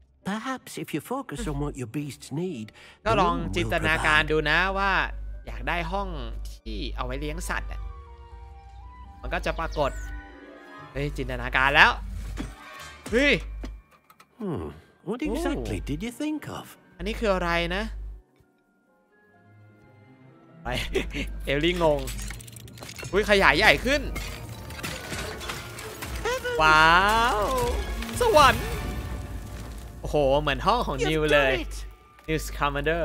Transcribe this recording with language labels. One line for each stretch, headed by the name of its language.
English: Perhaps if you focus on what your beasts need,
Thai: ก็ลองจินตนาการดูนะว่าอยากได้ห้องที่เอาไว้เลี้ยงสัตว์มันก็จะปรากฏจินตนาการแล้ว
English: What exactly did you think of?
Thai: อันนี้คืออะไรนะไปเอลลี่งงอุ้ยขยายใหญ่ขึ้นว้าวสวรรค์โอ้โหเหมือนห้องของนิวเลยนิวส์คอมมานเดอร